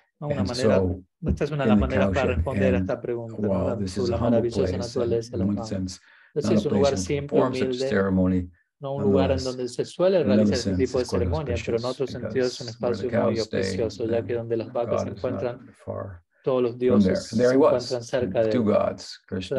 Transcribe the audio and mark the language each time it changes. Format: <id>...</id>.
<es>Esta es una de las maneras para responder a esta pregunta.</es> <en>This is a humble place, in one sense.</en> <es>Entonces, es un lugar simple, humilde, no un lugar en donde se suele realizar este tipo de ceremonia, pero en otro sentido es un espacio muy auspicioso, ya que donde las vacas se encuentran, todos los dioses se encuentran cerca de él.</es>